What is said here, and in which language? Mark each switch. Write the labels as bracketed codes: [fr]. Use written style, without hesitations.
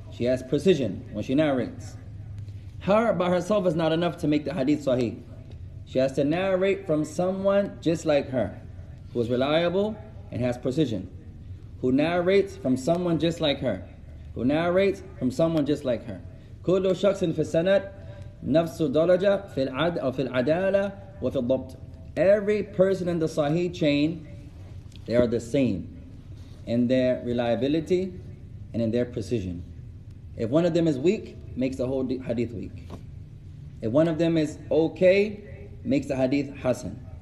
[en] She has precision when she narrates. Her by herself is not enough to make the hadith sahih. She has to narrate from someone just like her, who is reliable and has precision, who narrates from someone just like her. who narrates from someone just like her. [ar] كل شخص في السنة نفس درجة في العدل في العدالة وفي الضبط. [en] Every person in the Sahih chain, they are the same in their reliability and in their precision. If one of them is weak, makes the whole hadith weak. If one of them is okay, makes the hadith hasan.